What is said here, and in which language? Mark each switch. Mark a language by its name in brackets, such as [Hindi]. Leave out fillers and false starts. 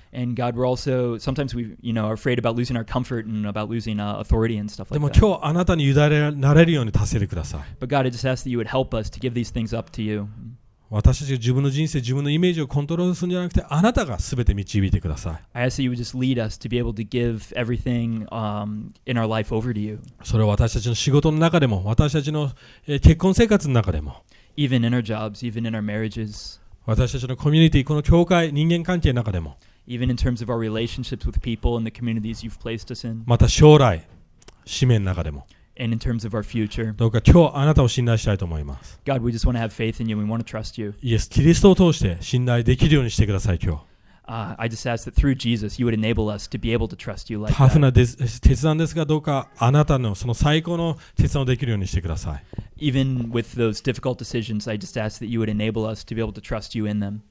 [English] And God, we're also sometimes we, you know, are afraid about losing our comfort and about losing authority and stuff like that. [Japanese] でも今日あなたに委ねられるように助けてください。 [English] But God, I just ask that you would help us to give these things up to you. [Japanese] 私たちが自分の人生、自分のイメージをコントロールするんじゃなくて、あなたがすべて導いてください。 [English] I ask that you would just lead us to be able to give everything in our life over to you. [Japanese] それは私たちの仕事の中でも、私たちの結婚生活の中でも。 [English] Even in our jobs, even in our marriages. [Japanese] 私たちのコミュニティ、この教会、人間関係の中でも。 [English] Even in terms of our relationships with people and the communities you've placed us in. [Japanese] また将来、使命の中でも。 [English] and in terms of our future. [Japanese] どうか今日あなたを信頼したいと思います。 [English] God, we just want to have faith in you. We want to trust you. [Japanese] イエス、キリストを通して信頼できるようにしてください、今日。 [English] I just ask that through Jesus, you would enable us to be able to trust you like that. [Japanese] タフな決断ですが、どうかあなたのその最高の決断をできるようにしてください。 [English] Even with those difficult decisions, I just ask that you would enable us to be able to trust you in them.